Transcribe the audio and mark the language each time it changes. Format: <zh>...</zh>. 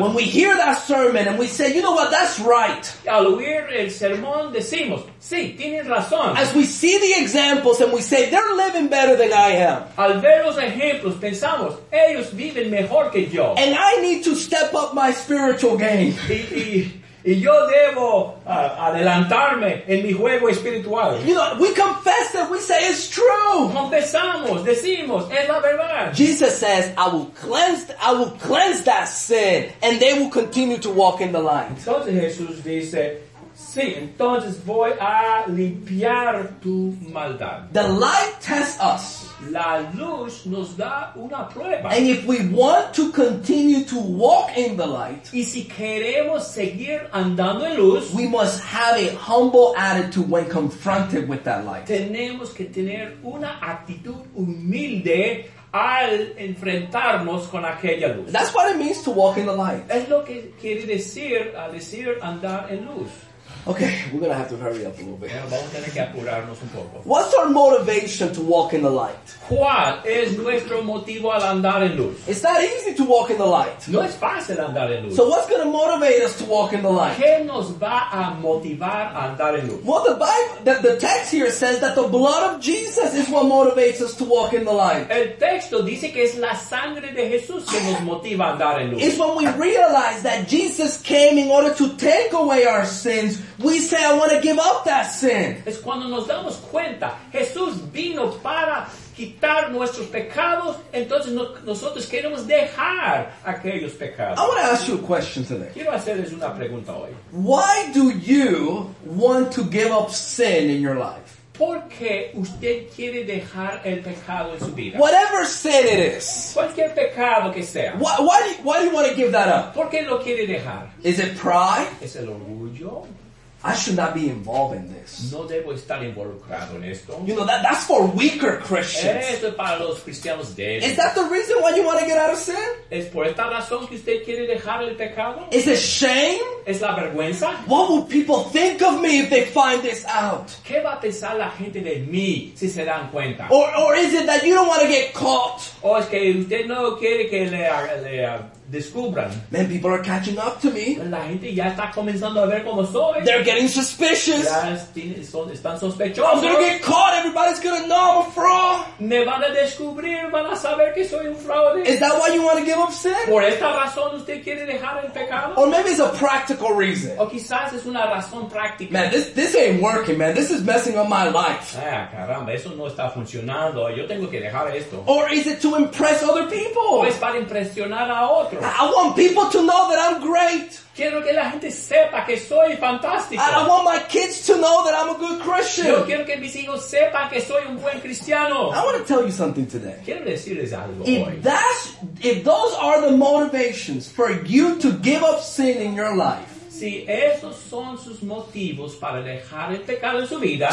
<en>when we hear that sermon and we say, you know what, that's right,</en> <es>al oír el sermón decimos, sí, tienes razón.</es> <en>As we see the examples and we say, they're living better than I am.</en> <es>Al ver los ejemplos pensamos, ellos viven mejor que yo.</es> <en>And I need to step up my spiritual game.</en> <es>Y yo debo adelantarme en mi juego espiritual.</es> <en>You know, we confess it, we say it's true.</en> <es>Confesamos, decimos, es la verdad.</es> <en>Jesus says, I will cleanse that sin, and they will continue to walk in the light.</en> <es>Entonces Jesús dice, sí, entonces voy a limpiar tu maldad.</es> <en>The light tests us.</en> <es>La luz nos da una prueba.</es> <en>And if we want to continue to walk in the light,</en> <es>y si queremos seguir andando en luz,</es> <en>we must have a humble attitude when confronted with that light.</en> <es>Tenemos que tener una actitud humilde al enfrentarnos con aquella luz.</es> <en>That's what it means to walk in the light.</en> <es>Es lo que quiere decir al decir andar en luz.</es> <en>Okay, we're going to have to hurry up a little bit.</en> <es>Vamos a tener que apurarnos un poco.</es> <en>What's our motivation to walk in the light?</en> <es>¿Cuál es nuestro motivo al andar en luz?</es> <en>It's not easy to walk in the light.</en> <es>No es fácil andar en luz.</es> <en>So what's going to motivate us to walk in the light?</en> <es>¿Qué nos va a motivar a andar en luz?</es> <en>Well, the text here says that the blood of Jesus is what motivates us to walk in the light.</en> <es>El texto dice que es la sangre de Jesús que nos motiva a andar en luz.</es> <en>It's when we realize that Jesus came in order to take away our sins, we say, I want to give up that sin.</en> <es>Es cuando nos damos cuenta, Jesús vino para quitar nuestros pecados, entonces nosotros queremos dejar aquellos pecados.</es> <en>I want to ask you a question today.</en> <es>Quiero hacerles una pregunta hoy.</es> <en>Why do you want to give up sin in your life?</en> <es>¿Por qué usted quiere dejar el pecado en su vida?</es> <en>Whatever sin it is.</en> <es>Cualquier pecado que sea.</es> <en>Why do you want to give that up?</en> <es>¿Por qué lo quiere dejar?</es> <en>Is it pride?</en> <es>¿Es el orgullo?</es> <en>I should not be involved in this.</en> <es>No debo estar involucrado en esto.</es> <en>You know, that's for weaker Christians.</en> <es>Eso es para los cristianos débiles.</es> <en>Is that the reason why you want to get out of sin?</en> <es>¿Es por esta razón que usted quiere dejar el pecado?</es> <en>Is it shame?</en> <es>¿Es la vergüenza?</es> <en>What would people think of me if they find this out?</en> <es>¿Qué va a pensar la gente de mí si se dan cuenta?</es> <en>Or is it that you don't want to get caught?</en> <es>¿O es que usted no quiere que le descubran?</es> <en>Man, people are catching up to me.</en> <es>La gente ya está comenzando a ver cómo soy.</es> <en>They're getting suspicious.</en> <es>Están sospechosos.</es> <en>I'm gonna get caught. Everybody's gonna know I'm a fraud.</en> <es>Me van a descubrir. Van a saber que soy un fraude.</es> <en>Is that why you want to give up sin?</en> <es>¿Por esta razón usted quiere dejar el pecado?</es> <en>Or maybe it's a practical reason.</en> <es>O quizás es una razón práctica.</es> <en>Man, this ain't working, man. This is messing up my life.</en> <es>Ah, caramba. Eso no está funcionando. Yo tengo que dejar esto.</es> <en>Or is it to impress other people?</en> <es>¿O es para impresionar a otros?</es> <en>I want people to know that I'm great.</en> <es>Quiero que la gente sepa que soy fantástico.</es> <en>I want my kids to know that I'm a good Christian.</en> <es>Yo quiero que mis hijos sepan que soy un buen cristiano.</es> <en>I want to tell you something today.</en> <es>Quiero decirles algo hoy.</es> <en>If those are the motivations for you to give up sin in your life,</en> <es>si esos son sus motivos para dejar el pecado en su vida,</es>